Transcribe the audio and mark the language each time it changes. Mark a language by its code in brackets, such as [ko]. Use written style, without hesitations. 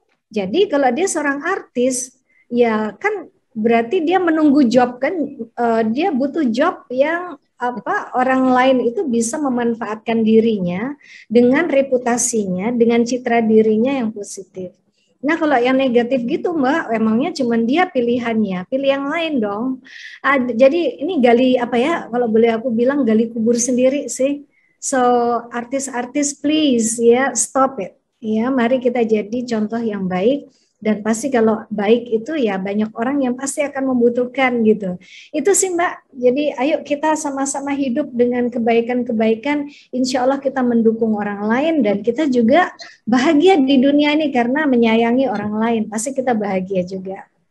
[id] Jadi kalau dia seorang artis, ya kan berarti dia menunggu job, kan dia butuh job yang orang lain itu bisa memanfaatkan dirinya dengan reputasinya, dengan citra dirinya yang positif. Nah, kalau yang negatif gitu, Mbak, emangnya cuman dia pilihannya, pilih yang lain dong. Jadi ini gali apa ya, kalau boleh aku bilang gali kubur sendiri sih. [en] So, artis-artis please ya, stop it. [id] Ya, mari kita jadi contoh yang baik, dan pasti kalau baik itu ya banyak orang yang pasti akan membutuhkan gitu. Itu sih, Mbak. Jadi ayo kita sama-sama hidup dengan kebaikan-kebaikan, insya Allah kita mendukung orang lain dan kita juga bahagia di dunia ini karena menyayangi orang lain, pasti kita bahagia juga.